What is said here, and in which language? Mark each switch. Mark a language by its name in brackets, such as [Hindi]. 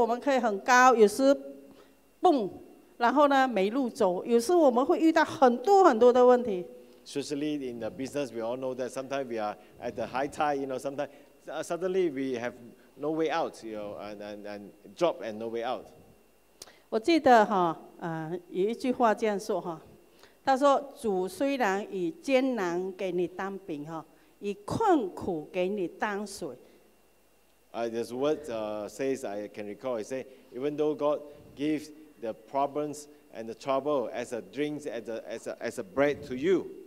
[Chinese] 特别是做生意的人都知道，有时我们可以很高，有时蹦。然后呢，没路走。有时我们会遇到很多很多的问题。 [English] Especially in the business, we all know that sometimes we are at the high tide. You know, sometimes suddenly we have no way out. You know, and drop and no way out. [Chinese] 我记得有一句话这样说，他说：“主虽然以艰难给你当饼，以困苦给你当水。” [English] This word says I can recall. It says, even though God gives the problems and the trouble as a drink, as a bread to you.